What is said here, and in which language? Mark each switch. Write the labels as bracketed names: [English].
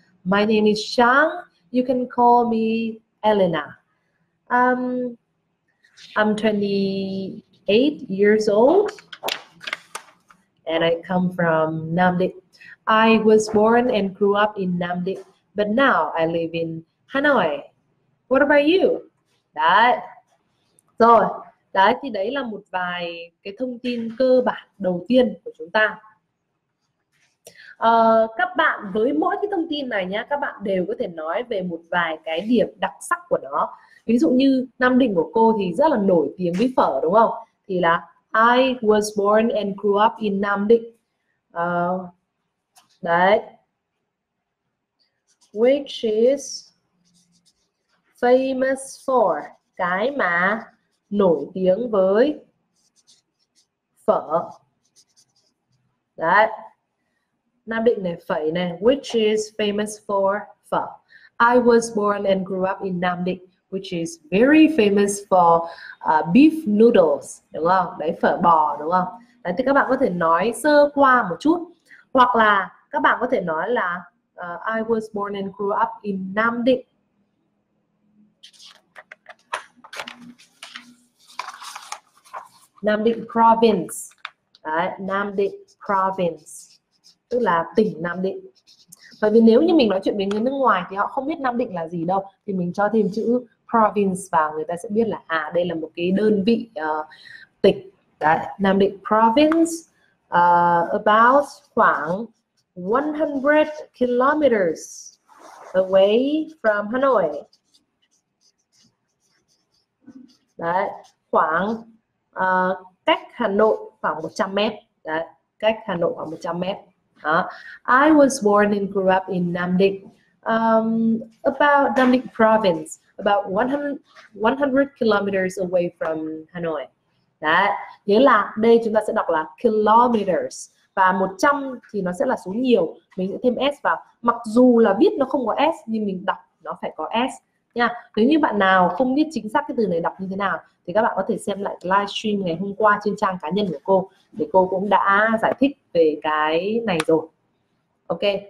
[English] My name is Shang. You can call me Elena. I'm 28 8 years old and I come from Nam Định. I was born and grew up in Nam Định, but now I live in Hanoi. What about you? [Vietnamese] Đấy. Rồi, đấy thì đấy là một vài cái thông tin cơ bản đầu tiên của chúng ta. Các bạn với mỗi cái thông tin này nhá, các bạn đều có thể nói về một vài cái điểm đặc sắc của nó. Ví dụ như Nam Định của cô thì rất là nổi tiếng với phở đúng không? Thì là [English] I was born and grew up in Nam Định. [Vietnamese] Đấy. [English] Which is famous for, [Vietnamese] cái mà nổi tiếng với phở. Đấy. Nam Định này, phẩy này, [English] which is famous for [Vietnamese] phở. [English] I was born and grew up in Nam Định, which is very famous for beef noodles, [Vietnamese] đúng không? Đấy, phở bò đúng không? Đấy, thì các bạn có thể nói sơ qua một chút, hoặc là các bạn có thể nói là [English] I was born and grew up in Nam Định. Nam Định province. [Vietnamese] Đấy, [English] Nam Định province. [Vietnamese] Tức là tỉnh Nam Định. Bởi vì nếu như mình nói chuyện với người nước ngoài thì họ không biết Nam Định là gì đâu, thì mình cho thêm chữ province vào, người ta sẽ biết là à, đây là một cái đơn vị tỉnh. Đấy, [English] Nam Định province, about [Vietnamese] khoảng [English] 100 kilometers away from Hanoi. [Vietnamese] Đấy, khoảng cách Hà Nội khoảng 100 mét. Đấy, cách Hà Nội khoảng 100 mét. [English] I was born and grew up in Nam Định, about Nam Định province, about 100 kilometers away from Hanoi. [Vietnamese] Đấy, nghĩa là đây chúng ta sẽ đọc là kilometers, và 100 thì nó sẽ là số nhiều, mình sẽ thêm S vào. Mặc dù là viết nó không có S nhưng mình đọc nó phải có S nha. Nếu như bạn nào không biết chính xác cái từ này đọc như thế nào thì các bạn có thể xem lại livestream ngày hôm qua trên trang cá nhân của cô, thì cô cũng đã giải thích về cái này rồi. Ok.